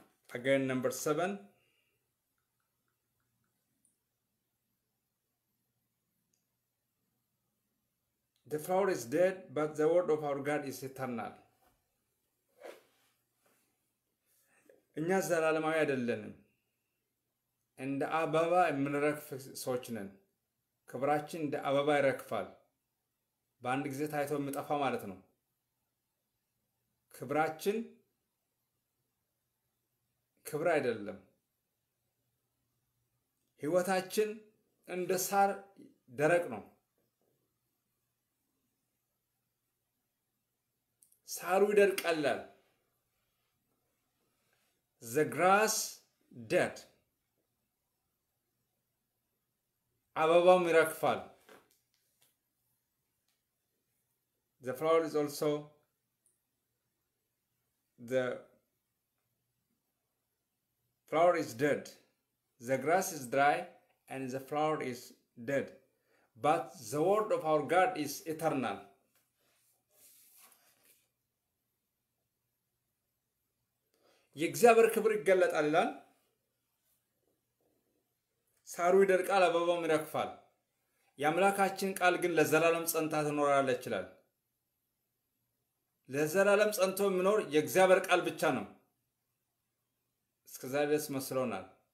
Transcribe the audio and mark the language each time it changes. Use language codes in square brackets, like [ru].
[en] Again, number 7. The flower is dead, but the word of our God is eternal. [am] እኛ ዘላለማዊ አይደለንም እንደ አበባ የምንረክፍ ሰዎች ነን ክብራችን እንደ አበባ ይረክፋል በአንድ ጊዜ ታይቶ የምጠፋ ማለት ነው ክብራችን ክብር አይደለም ህይወታችን እንደ ሳር ደረቅ ነው። ሳሩ ይደርቃል። [en] The grass dead. [am] አበባም ይረግፋል። [en] The flower is also the flower is dead. The grass is dry and the flower is dead. But the word of our God is eternal. [am] የእግዚአብሔር ክብር ይገለጣል ይላል። ሳሩ ይደርቃል አበባም ይረግፋል። የአምላካችን ቃል ግን ለዘላለም ጸንታ ትኖራለች ይላል። ለዘላለም ጸንቶ የሚኖር የእግዚአብሔር ቃል ብቻ ነው። እስከዛሬ ድረስ መስሎናል።